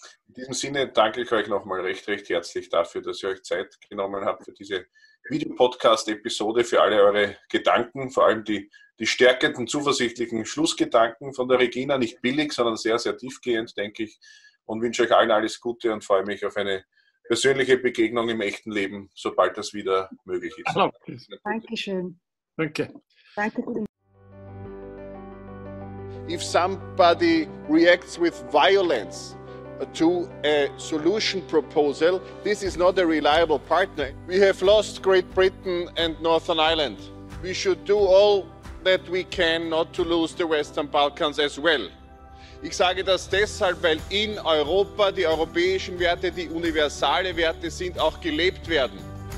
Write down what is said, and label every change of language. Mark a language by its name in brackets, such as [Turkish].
[German] In diesem Sinne danke ich euch nochmal recht, recht herzlich dafür, dass ihr euch Zeit genommen habt für diese Videopodcast-Episode, für alle eure Gedanken, vor allem die stärkenden, zuversichtlichen Schlussgedanken von der Regina. Nicht billig, sondern sehr, sehr tiefgehend, denke ich. Und wünsche euch allen alles Gute und freue mich auf eine persönliche Begegnung im echten Leben, sobald das wieder möglich ist. Dankeschön. Danke. Danke. [English] If somebody reacts with violence to a solution proposal, this is not a reliable partner. We have lost Great Britain and Northern Ireland. We should do all that we can not to lose the Western Balkans as well. [German] Ich sage das deshalb, weil in Europa die europäischen Werte, die universale Werte sind, auch gelebt werden.